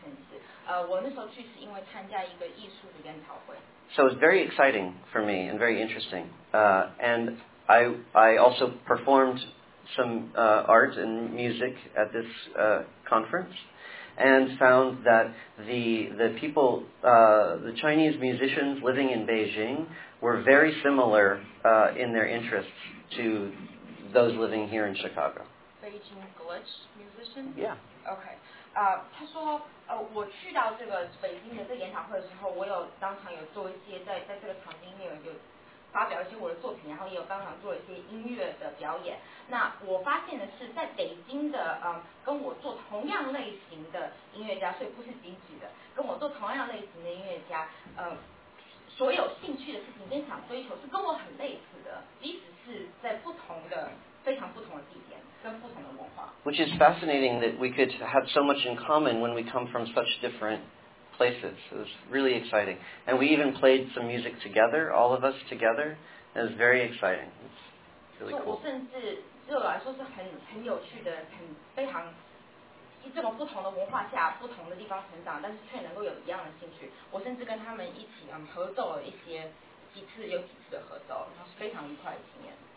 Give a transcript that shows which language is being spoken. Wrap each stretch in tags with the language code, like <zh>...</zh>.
<zh>北京是我唯一中国去过的城市。我那时候去是因为参加一个艺术的研讨会。</zh> <en>So it's very exciting for me and very interesting. And I also performed some art and music at this conference, and found that the people, the Chinese musicians living in Beijing, were very similar in their interests to those living here in Chicago. Beijing glitch musician? Yeah. Okay.</en> <zh>他说, 我去到这个北京的这个演唱会的时候，我有当场有做一些在这个场地里面有发表一些我的作品，然后也有当场做了一些音乐的表演。那我发现的是，在北京的 跟我做同样类型的音乐家，所以不是仅指的，跟我做同样类型的音乐家， 所有兴趣的事情跟想追求是跟我很类似的，即使是在不同的非常不同的地点跟不同的文化。</zh> <en>Which is fascinating that we could have so much in common when we come from such different places. It was really exciting, and we even played some music together, all of us together. It was very exciting. It's really cool.</en> <zh>甚至对我来说是很有趣的，很非常。这么不同的文化下，不同的地方成长，但是却能够有一样的兴趣。我甚至跟他们一起合奏了一些几次有几次的合奏，然后是非常愉快的经验。</zh>